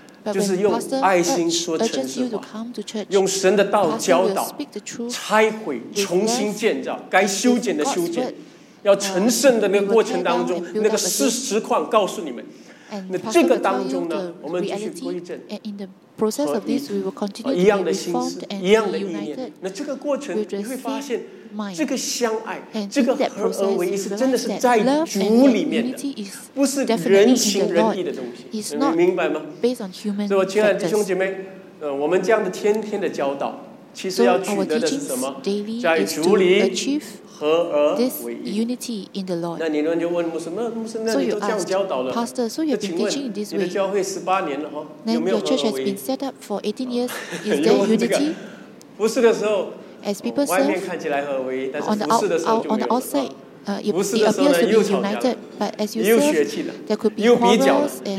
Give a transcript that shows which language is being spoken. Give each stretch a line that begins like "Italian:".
Chinese: 就是用爱心说诚实话，用神的道教导，拆毁，重新建造，该修剪的修剪，要成圣的那个过程当中，那个实况告诉你们。那这个当中呢，我们继续归正。
English: Process of this, we will continue to be reformed and united.
Chinese: 那这个过程你会发现，这个相爱，这个合而为一，是真的是在主里面的，不是人情人义的东西。你明白吗？所以，我亲爱的弟兄姐妹，我们这样的天天的教导，其实要取得的是什么？在主里合而为一。
English: Unity in the Lord.
Chinese: 那你们就问牧师，那牧师，那你都这样教导了？
English: Pastor, so you've been teaching in this way.
Chinese: 你的教会十八年了哈，有没有合而为一？
English: Your church has been set up for 18 years. Is there unity?
Chinese: 不是的时候。
English: As people serve,
Chinese: 外面看起来合为一，但是服侍的时候就没有了。
English: On the outside, it appears to be united, but as you serve, there could be quarrels and